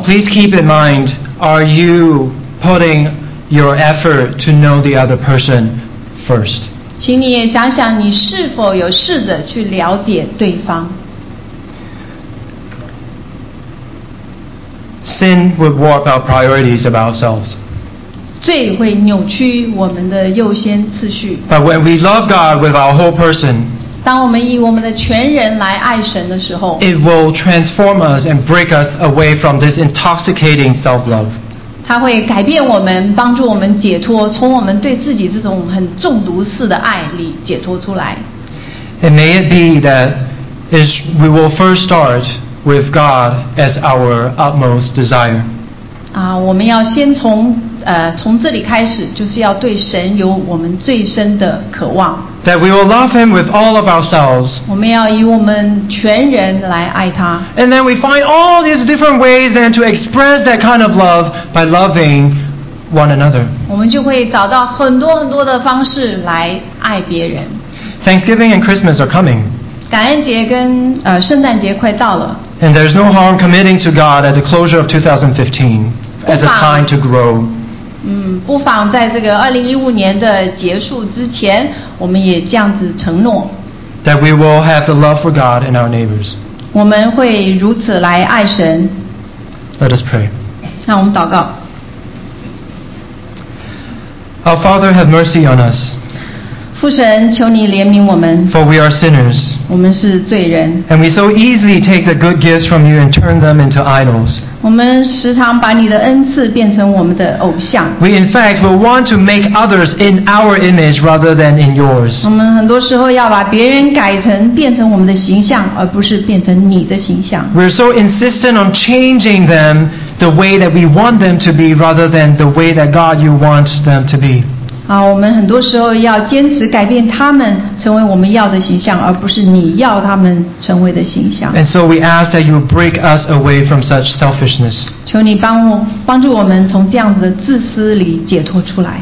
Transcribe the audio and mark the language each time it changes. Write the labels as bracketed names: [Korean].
[English] ，Please keep in mind, are you putting? Your effort to know the other person first. [Chinese] 请你也想想，你是否有试着去了解对方。 [English] Sin would warp our priorities of ourselves. [Chinese] 罪会扭曲我们的优先次序。 [English] But when we love God with our whole person, [Chinese] 当我们以我们的全人来爱神的时候， [English] It will transform us and break us away from this intoxicating self-love. [Chinese] 它会改变我们，帮助我们解脱，从我们对自己这种很中毒式的爱里解脱出来。 [English] And may it be that we will first start with God as our utmost desire. [Chinese] 我们要先从从这里开始，就是要对神有我们最深的渴望。 [English] That we will love him with all of ourselves. [Chinese] 我们要以我们全人来爱他。 [English] And then we find all these different ways then to express that kind of love by loving one another. [Chinese] 我们就会找到很多很多的方式来爱别人。 [English] Thanksgiving and Christmas are coming. [Chinese] 感恩节跟圣诞节快到了。 [English] And there's no harm committing to God at the closure of 2015 as a time to grow. [Chinese] 不妨在这个2015年的结束之前，我们也这样子承诺。 [English] That we will have the love for God and our neighbors. [Chinese] 我们会如此来爱神。 [English] Let us pray. [Chinese] 那我们祷告。 [English] Our Father, have mercy on us. [Chinese] 父神，求你怜悯我们。 [English] For we are sinners. [Chinese] 我们是罪人。 [English] And we so easily take the good gifts from you and turn them into idols. [Chinese] 我们时常把你的恩赐变成我们的偶像。 [English] We in fact will want to make others in our image rather than in yours. [Chinese] 我们很多时候要把别人改成变成我们的形象，而不是变成你的形象。 [English] We're so insistent on changing them the way that we want them to be rather than the way that God you want them to be. [Chinese] 我们很多时候要坚持改变他们成为我们要的形象，而不是你要他们成为的形象。 [English] And so we ask that you break us away from such selfishness. [Chinese] 求你帮助我们从这样子的自私里解脱出来。